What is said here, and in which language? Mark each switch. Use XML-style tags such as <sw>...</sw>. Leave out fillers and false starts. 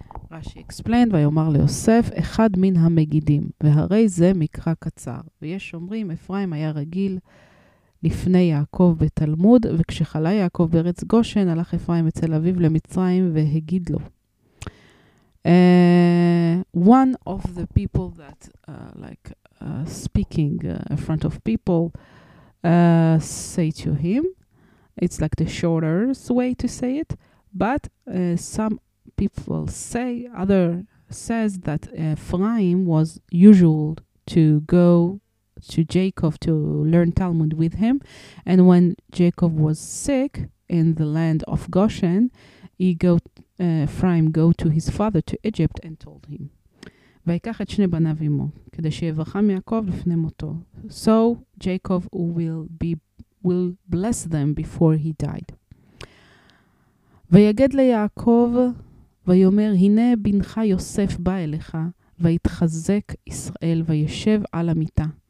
<he>רשי</he> <en>explained,</en> <he>ויאמר ליוסף, אחד מן המגידים, והרי זה מקרא קצר. ויש אומרים, אפרים היה רגיל לפני יעקב בתלמוד, וכשחלה יעקב בארץ גושן, הלך אפרים אצל אביו למצרים והגיד לו.</he> <en>One of the people that speaking in front of people say to him, it's like the shortest way to say it, but some people say, other says that Ephraim was usual to go to Jacob to learn Talmud with him, and when Jacob was sick in the land of Goshen, he go Ephraim go to his father to Egypt and told him.</en> <he>ויקח את שני בניו עמו, כדי שיברכם יעקב לפני מותו.</he> <en>So Jacob will bless them before he died.</en> <he>ויגד ליעקב, ויאמר, הנה בנך יוסף בא אליך, ויתחזק ישראל, וישב על המיטה.</he>